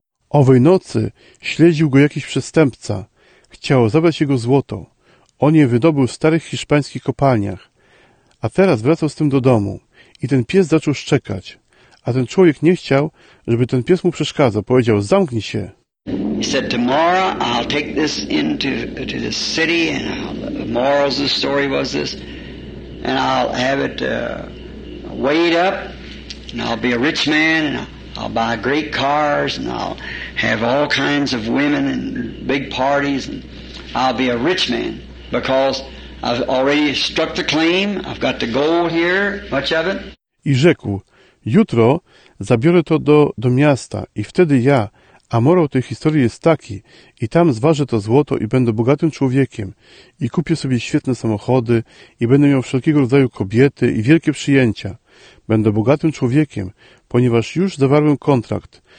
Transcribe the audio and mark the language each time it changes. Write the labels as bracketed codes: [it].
[pl] Owej nocy śledził go jakiś przestępca. Chciał zabrać jego złoto. On je wydobył w starych hiszpańskich kopalniach. A teraz wracał z tym do domu. I ten pies zaczął szczekać. A ten człowiek nie chciał, żeby ten pies mu przeszkadzał. Powiedział, zamknij się. [en] He said, "Tomorrow I'll take this into the city, and tomorrow's the story was this, and I'll have it weighed up, and I'll be a rich man, and I'll buy great cars, and I'll have all kinds of women and big parties, and I'll be a rich man, because I've already struck the claim, I've got the gold here, much of it." [pl] I rzekł, jutro zabiorę to do miasta i wtedy ja, a morał tej historii jest taki, i tam zważę to złoto i będę bogatym człowiekiem i kupię sobie świetne samochody i będę miał wszelkiego rodzaju kobiety i wielkie przyjęcia. Będę bogatym człowiekiem, ponieważ już zawarłem kontrakt.